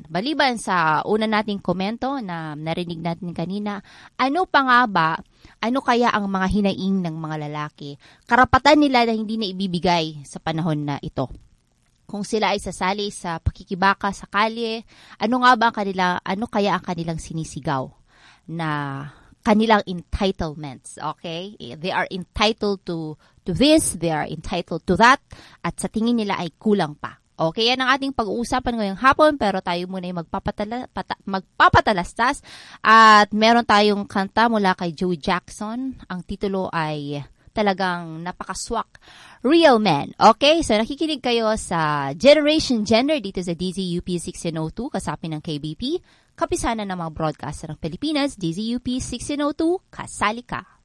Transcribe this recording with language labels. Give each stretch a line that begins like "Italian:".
Filipino: Baliban sa una nating komento na narinig natin kanina, ano kaya ang mga hinaing ng mga lalaki? Karapatan nila na hindi na ibibigay sa panahon na ito. Kung sila ay sasali sa pakikibaka sa kalye, ano kaya ang kanilang sinisigaw na kanilang entitlements, okay?
English: They are entitled to this, they are entitled to that,
Filipino: at sa tingin nila ay kulang pa. Okay, yan ang ating pag-uusapan ngayong hapon, pero tayo muna ay magpapatalastas at meron tayong kanta mula kay Joe Jackson. Ang titulo ay talagang napakaswak. Real Men. Okay, so nakikinig kayo sa Generation Gender dito sa DZUP 1602 kasapi ng KBP, kapisanan ng mga broadcaster ng Pilipinas, DZUP 1602, kasali ka.